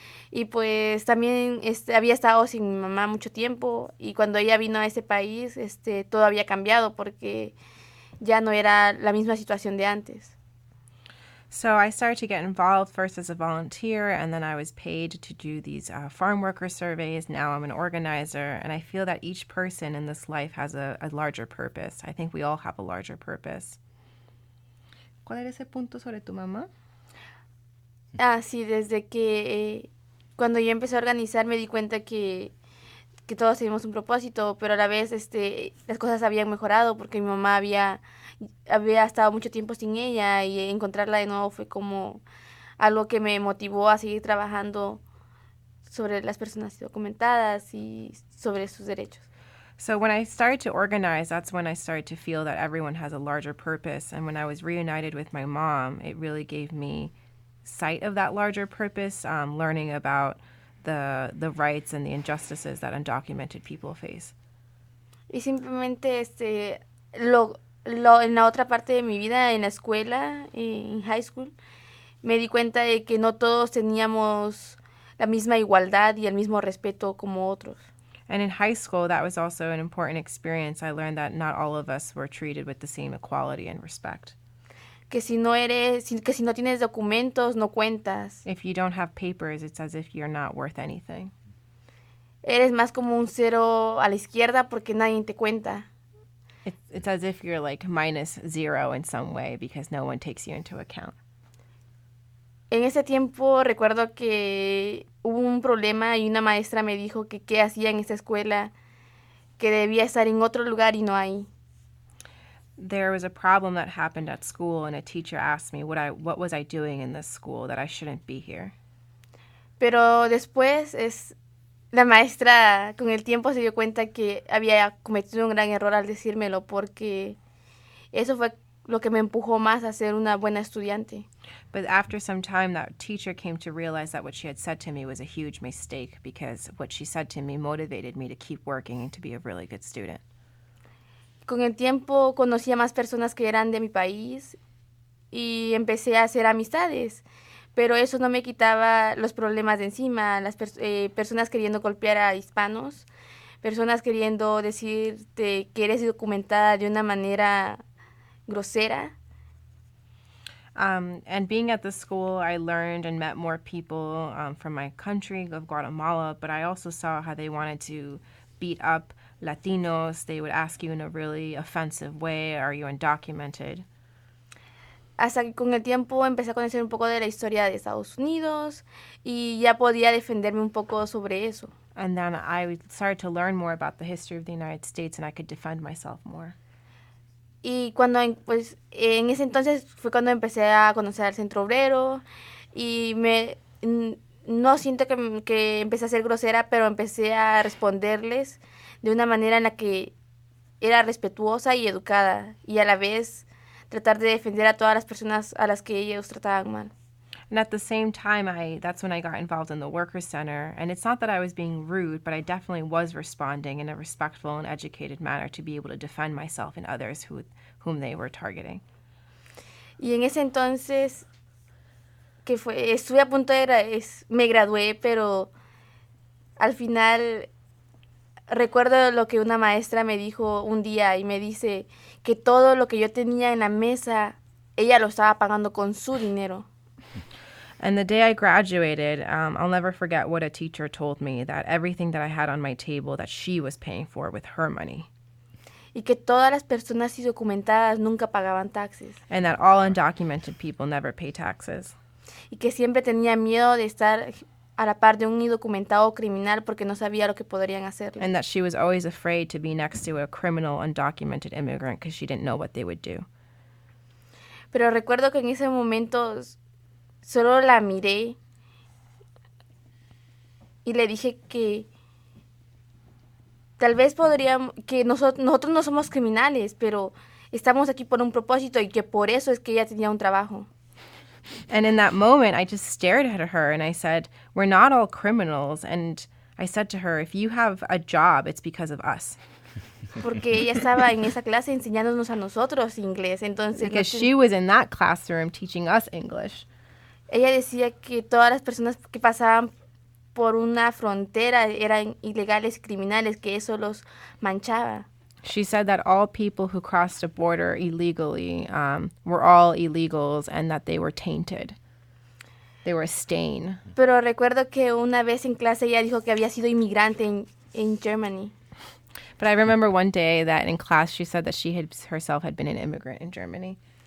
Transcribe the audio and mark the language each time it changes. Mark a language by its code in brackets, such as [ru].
[es] Y pues también había estado sin mi mamá mucho tiempo y cuando ella vino a ese país, todo había cambiado porque ya no era la misma situación de antes. [en] So I started to get involved first as a volunteer, and then I was paid to do these farm worker surveys. Now I'm an organizer, and I feel that each person in this life has a larger purpose. I think we all have a larger purpose. [es] ¿Cuál era ese punto sobre tu mamá? Ah, sí, desde que cuando yo empecé a organizar me di cuenta que todos teníamos un propósito, pero a la vez las cosas habían mejorado porque mi mamá había estado mucho tiempo sin ella y encontrarla de nuevo fue como algo que me motivó a seguir trabajando sobre las personas indocumentadas y sobre sus derechos. [en] So when I started to organize, that's when I started to feel that everyone has a larger purpose. And when I was reunited with my mom, it really gave me sight of that larger purpose, learning about the rights and the injustices that undocumented people face. [es] Y simplemente lo en la otra parte de mi vida, en la escuela, en [en] high school, [es] me di cuenta de que no todos teníamos la misma igualdad y el mismo respeto como otros. [en] And in high school, that was also an important experience. I learned that not all of us were treated with the same equality and respect. [es] Que si no eres, que si no tienes documentos, no cuentas. [en] If you don't have papers, it's as if you're not worth anything. [es] Eres más como un cero a la izquierda porque nadie te cuenta. [en] It's as if you're like minus zero in some way because no one takes you into account. [es] En ese tiempo recuerdo que hubo un problema y una maestra me dijo que qué hacía en esa escuela, que debía estar en otro lugar y no ahí. [en] There was a problem that happened at school and a teacher asked me what was I doing in this school that I shouldn't be here. [es] Pero después la maestra con el tiempo se dio cuenta que había cometido un gran error al decírmelo porque eso fue lo que me empujó más a ser una buena estudiante. [en] But after some time, that teacher came to realize that what she had said to me was a huge mistake because what she said to me motivated me to keep working and to be a really good student. [es] Con el tiempo, conocí a más personas que eran de mi país y empecé a hacer amistades. Pero eso no me quitaba los problemas de encima, las personas queriendo golpear a hispanos, personas queriendo decirte que eres indocumentada de una manera grosera. [en] And being at the school, I learned and met more people from my country of Guatemala, but I also saw how they wanted to beat up Latinos. They would ask you in a really offensive way, are you undocumented? [es] Hasta que con el tiempo empecé a conocer un poco de la historia de Estados Unidos y ya podía defenderme un poco sobre eso. [en] And then I started to learn more about the history of the United States and I could defend myself more. [es] Y cuando, pues, en ese entonces fue cuando empecé a conocer al Centro Obrero y no siento que empecé a ser grosera, pero empecé a responderles de una manera en la que era respetuosa y educada y a la vez tratar de defender a todas las personas a las que ellos trataban mal. [en] And at the same time, that's when I got involved in the Workers Center. And it's not that I was being rude, but I definitely was responding in a respectful and educated manner to be able to defend myself and others whom they were targeting. [es] Y en ese entonces, que fue, estuve a punto de, me gradué, pero al final recuerdo lo que una maestra me dijo un día y me dice que todo lo que yo tenía en la mesa, ella lo estaba pagando con su dinero. [en] And the day I graduated, I'll never forget what a teacher told me, that everything that I had on my table that she was paying for with her money. [es] Y que todas las personas indocumentadas nunca pagaban taxes. [en] And that all undocumented people never pay taxes. [es] Y que siempre tenía miedo de estar a la par de un indocumentado criminal porque no sabía lo que podrían hacerle. [en] And that she was always afraid to be next to a criminal undocumented immigrant because she didn't know what they would do. [es] Pero recuerdo que en ese momento solo la miré y le dije que tal vez podríamos, que nosotros no somos criminales, pero estamos aquí por un propósito y que por eso es que ella tenía un trabajo. [en] And in that moment, I just stared at her and I said, we're not all criminals. And I said to her, if you have a job, it's because of us. [es] Porque ella estaba en esa clase enseñándonos a nosotros inglés. Entonces, [en] because she was in that classroom teaching us English. [es] Ella decía que todas las personas que pasaban por una frontera eran ilegales, criminales, que eso los manchaba. [en] She said that all people who crossed a border illegally were all illegals and that they were tainted. They were a stain. [es] Pero recuerdo que una vez en clase ella dijo que había sido inmigrante en Germany. [en] But I remember one day that in class she said that she had herself had been an immigrant in Germany.